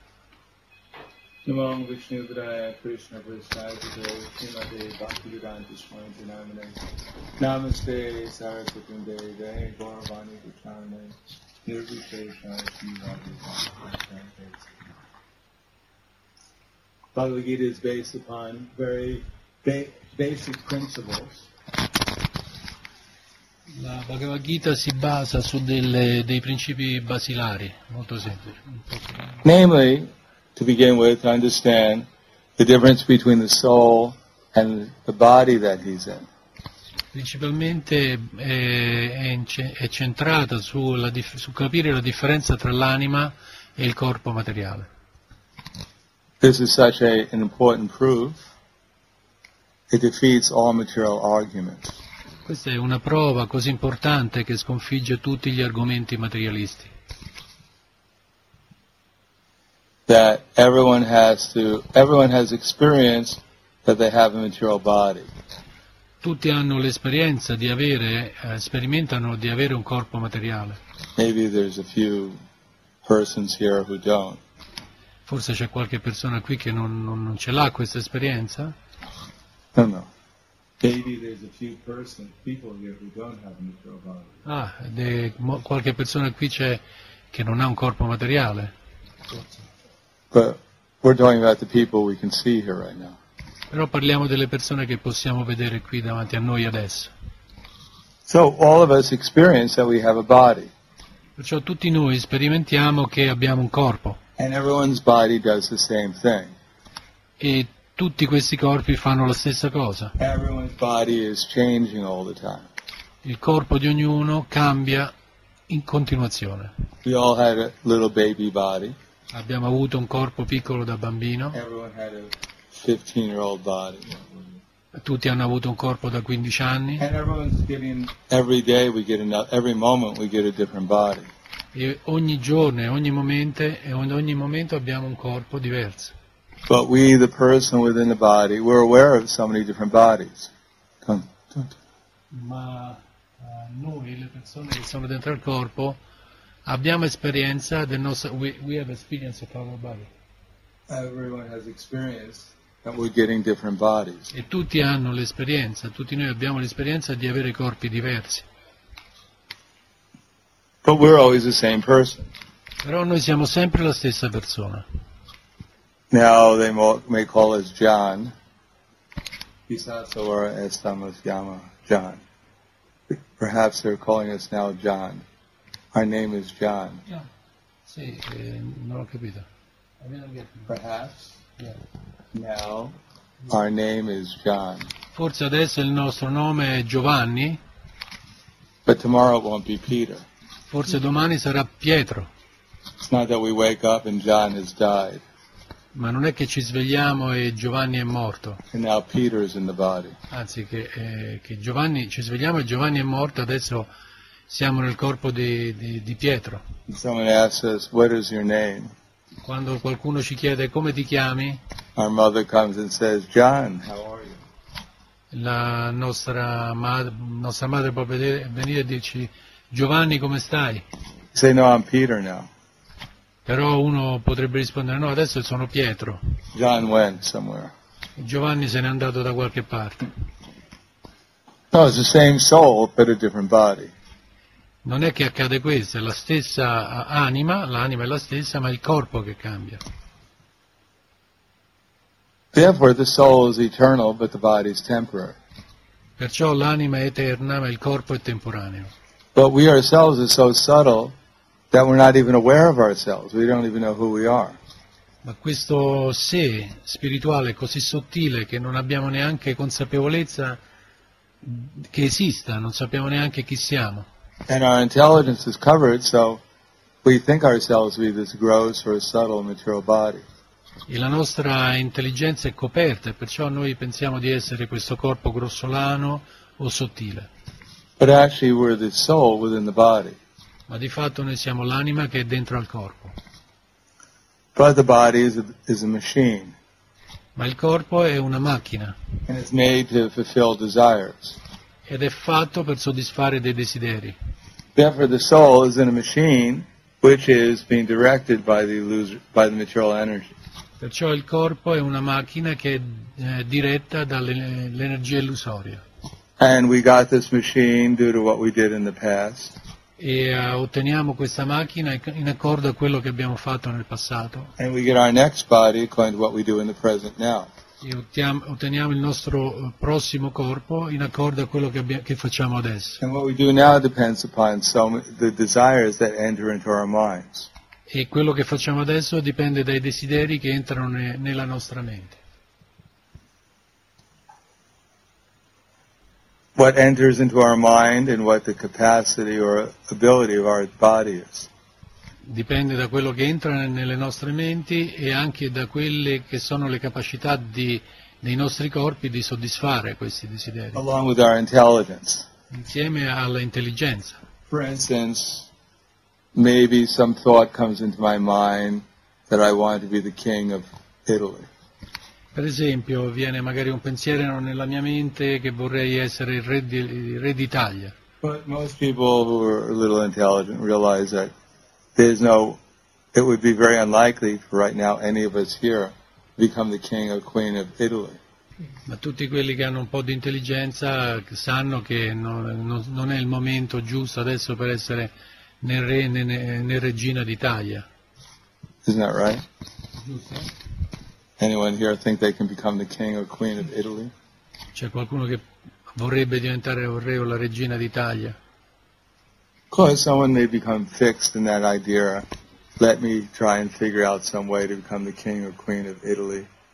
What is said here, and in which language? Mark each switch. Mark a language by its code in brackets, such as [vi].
[sa] Namaste, Sarasvatunde, Jai Gauravani, Vichyane, Nirvishesha, Srinivasa. [en] Bhagavad Gita is based upon very basic principles. [it] La Bhagavad Gita si basa su dei principi basilari, molto semplici. [en] Namely, to begin with, to understand the difference between the soul and the body that he's in. [it] Principalmente è centrata su capire la differenza tra l'anima e il corpo materiale. [en] This is such an important proof. It defeats all material arguments. [it] Questa è una prova così importante che sconfigge tutti gli argomenti materialisti. [en] That everyone has experience that they have a material body. [it] Tutti hanno l'esperienza di avere, sperimentano di avere un corpo materiale. [en] Maybe there's a few persons here who don't. [it] Forse c'è qualche persona qui che non ce l'ha questa esperienza. [en] No. Maybe there's a few people here who don't have a material body. [it] Ah, qualche persona qui c'è che non ha un corpo materiale. [en] But we're talking about the people we can see here right now. [it] Però parliamo delle persone che possiamo vedere qui davanti a noi adesso. [en] So all of us experience that we have a body. [it] Perciò tutti noi sperimentiamo che abbiamo un corpo. [en] And everyone's body does the same thing. [it] E tutti questi corpi fanno la stessa cosa. [en] Everyone's body is changing all the time. [it] Il corpo di ognuno cambia in continuazione. [en] We all had a little baby body. [it] Abbiamo avuto un corpo piccolo da bambino. [en] Everyone had a 15-year-old body. [it] Tutti hanno avuto un corpo da 15 anni. [en] And everyone's getting, every day we get another, every moment we get a different body. [it] E ogni giorno, ogni momento, e ogni momento abbiamo un corpo diverso. [en] But we, the person within the body, we're aware of so many different bodies. [it] Ma noi, le persone che sono dentro il corpo, abbiamo esperienza del nostro. [en] We have experience of our body. Everyone has experience that we're getting different bodies. [it] E tutti hanno l'esperienza. Tutti noi abbiamo l'esperienza di avere corpi diversi. [en] But we're always the same person. [it] Però noi siamo sempre la stessa persona. [en] Now they may call us John. Isaso or estamos llama John. Perhaps they're calling us now John. Our name is John. [it] Yeah. Sì, non ho capito. [en] Perhaps. Yeah. Now our name is John. [it] Forse adesso il nostro nome è Giovanni. [en] But tomorrow it won't be Peter. [it] Forse domani sarà Pietro. [en] It's not that we wake up and John has died. [it] Ma non è che ci svegliamo e Giovanni è morto. [en] And now Peter is in the body. [it] Anzi, che Giovanni, ci svegliamo e Giovanni è morto, adesso siamo nel corpo di Pietro. [en] Someone asks us, what is your name? [it] Quando qualcuno ci chiede come ti chiami, [en] our mother comes and says, John, how are you? [it] La nostra madre può venire e dirci, Giovanni, come stai? [en] Say, no, I'm Peter now. [it] Però uno potrebbe rispondere, no, adesso sono Pietro. [en] John went somewhere. [it] Giovanni se n'è andato da qualche parte. [en] No, it's the same soul, but a different body. [it] Non è che accade questo, è la stessa anima, l'anima è la stessa, ma il corpo che cambia. [en] Therefore the soul is eternal, but the body is temporary. [it] Perciò l'anima è eterna, ma il corpo è temporaneo. [en] But we ourselves are so subtle that we're not even aware of ourselves. We don't even know who we are. [it] Ma questo sé spirituale è così sottile che non abbiamo neanche consapevolezza che esista, non sappiamo neanche chi siamo. [en] And our intelligence is covered, so we think ourselves to be this gross or subtle material body. [it] E la nostra intelligenza è coperta, perciò noi pensiamo di essere questo corpo grossolano o sottile. [en] But actually we're the soul within the body. [it] Ma di fatto noi siamo l'anima che è dentro al corpo. [en] But the body is a machine. [it] Ma il corpo è una macchina. [en] And it's made to fulfill desires. [it] Ed è fatto per soddisfare dei desideri. [en] Therefore, the soul is in a machine which is being directed by the material energy. [it] Perciò il corpo è una macchina che è diretta dall'energia illusoria. [en] And we got this machine due to what we did in the past. [it] E otteniamo questa macchina in accordo a quello che abbiamo fatto nel passato. [en] And we get our next body according to what we do in the present now. [it] E otteniamo il nostro prossimo corpo in accordo a quello che facciamo adesso. [en] And what we do now depends upon some the desires that enter into our minds. [it] E quello che facciamo adesso dipende dai desideri che entrano nella nostra mente. [en] What enters into our mind and what the capacity or ability of our body is. [it] Dipende da quello che entra nelle nostre menti e anche da quelle che sono le capacità dei nostri corpi di soddisfare questi desideri. [en] Along with our intelligence. [it] Insieme all'intelligenza. [en] For instance, maybe some thought comes into my mind that I want to be the king of Italy. [it] Per esempio, viene magari un pensiero nella mia mente che vorrei essere il re d'Italia. [en] But most people who are a little intelligent realize that there's no, it would be very unlikely for right now any of us here to become the king or queen of Italy. [it] Ma tutti quelli che hanno un po' di intelligenza sanno che non è il momento giusto adesso per essere nel re né regina d'Italia. [en] Isn't that right? Anyone here think they can become the king or queen of Italy? [it] C'è qualcuno che vorrebbe diventare il re o la regina d'Italia? [en] Cause someone may become fixed in that idea. Let me try and figure out some way to become the king or queen of Italy.